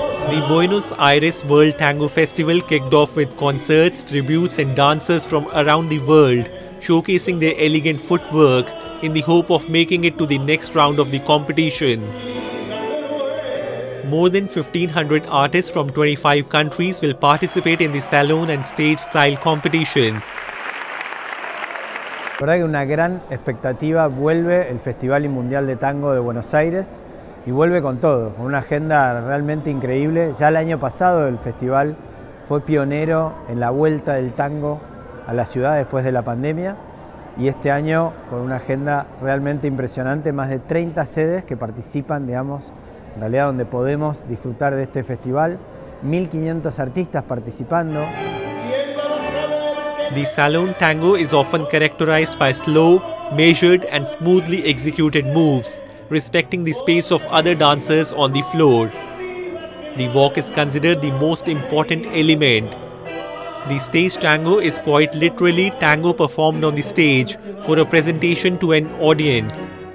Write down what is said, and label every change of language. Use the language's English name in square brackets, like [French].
[English] The Buenos Aires World Tango Festival kicked off with concerts, tributes and dancers from around the world, showcasing their elegant footwork in the hope of making it to the next round of the competition. More than 1,500 artists from 25 countries will participate in the salon and stage style competitions. [Spanish] La verdad que una gran expectativa vuelve el Festival Mundial de Tango de Buenos Aires y vuelve con todo, con una agenda realmente increíble. Ya el año pasado el festival fue pionero en la vuelta del tango a la ciudad después de la pandemia y este año con una agenda realmente impresionante, más de 30 sedes que participan, digamos, en realidad donde podemos disfrutar de este festival, 1,500 artistas participando. [English] The Salon Tango is often characterized by slow, measured and smoothly executed moves, respecting the space of other dancers on the floor. The walk is considered the most important element. The stage tango is quite literally tango performed on the stage for a presentation to an audience.